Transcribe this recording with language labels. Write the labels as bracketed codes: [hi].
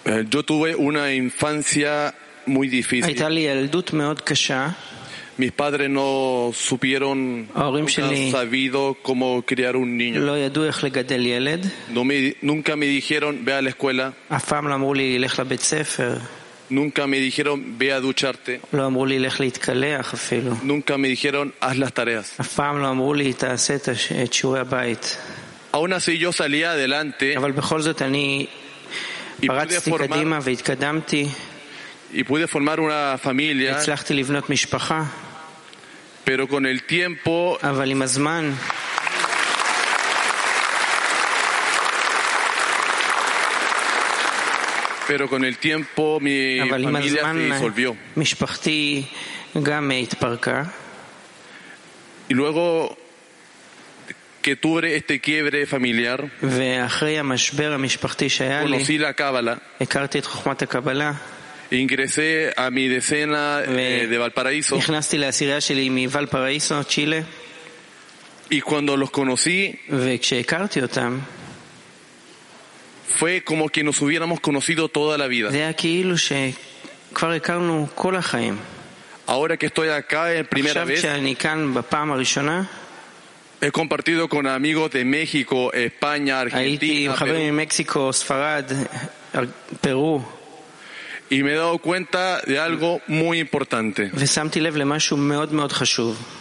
[es] Yo tuve una infancia muy difícil. [he] הייתה לי ילדות מאוד קשה. [es] Mis padres no supieron, sabido cómo criar un niño. [he] לא ידעו איך לגדל ילד. [es] Nunca me dijeron, ve a la escuela. [he] אף פעם לא אמרו לי, לך לבית ספר. [es] Nunca me dijeron, ve a ducharte. [he] לא אמרו לי, לך להתקלח אפילו. [es] Nunca me dijeron, haz las tareas. [he] אף פעם לא אמרו לי, תעשה את שיעורי הבית. [es] Aún así yo salí adelante. [he] אבל בכל זאת אני פרצתי קדימה והתקדמתי. [es] Y pude formar una familia. [he] הצלחתי לבנות משפחה. [es] Pero con el tiempo, [he] אבל עם הזמן, [es] pero con el tiempo mi familia se disolvió. [he] משפחתי גם התפרקה. [es] Y luego que tuve este quiebre familiar, [he] ואחרי המשבר המשפחתי שהיה לי, [es] conocí la cábala. [he] הכרתי את חוכמת הקבלה. [es] Ingresé a mi decena de Valparaíso. [he] נכנסתי לעשירייה שלי מוואלפראיסו, צ'ילה. [es] Y cuando los conocí, [he] וכשהכרתי אותם, [es] fue como que nos hubiéramos conocido toda la vida. [he] זה היה כאילו שכבר הכרנו כל החיים. [es] Ahora que estoy acá en primera vez, [he] עכשיו שאני כאן בפעם הראשונה, [es] he compartido con amigos de México, España, Argentina, [he] הייתי עם חברים ממקסיקו, ספרד, פרו. [es] Y me he dado cuenta de algo muy importante. [he] ושמתי לב למשהו מאוד מאוד חשוב.